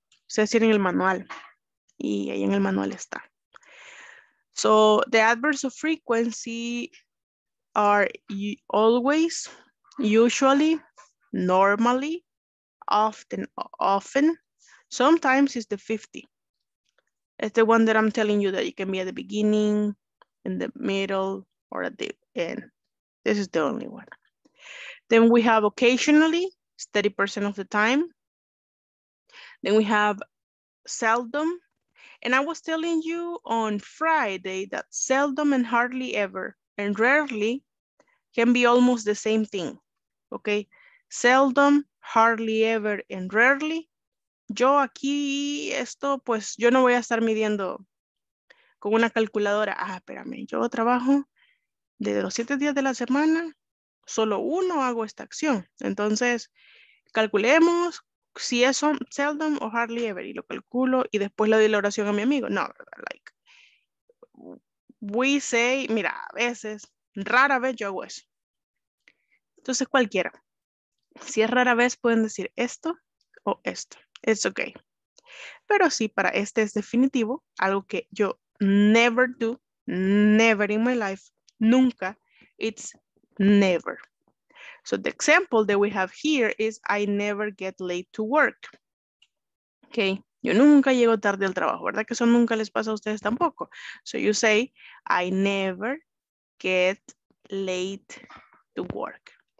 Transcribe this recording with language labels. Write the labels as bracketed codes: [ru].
[es] Ustedes tienen el manual y ahí en el manual está. [en] So the adverbs of frequency are always, usually, normally, often, often, sometimes is the 50. It's the one that I'm telling you that it can be at the beginning, in the middle, or at the end. This is the only one. Then we have occasionally, 30% of the time. Then we have seldom. And I was telling you on Friday that seldom and hardly ever and rarely can be almost the same thing. Okay. Seldom, hardly ever and rarely. [es] Yo aquí esto, pues yo no voy a estar midiendo con una calculadora. Ah, espérame. Yo trabajo de los 7 días de la semana. Solo uno hago esta acción. Entonces, calculemos si es seldom o hardly ever y lo calculo y después le doy la oración a mi amigo. No, [en] like, we say, [es] mira, a veces, rara vez yo hago eso. Entonces, cualquiera. Si es rara vez, pueden decir esto o esto. [en] It's okay. [es] Pero sí, para este es definitivo, algo que yo [en] never do, never in my life, [es] nunca, [en] it's never. So the example that we have here is I never get late to work. [es] Okay, yo nunca llego tarde al trabajo, ¿verdad? Que eso nunca les pasa a ustedes tampoco. [en] So you say, I never get late to work.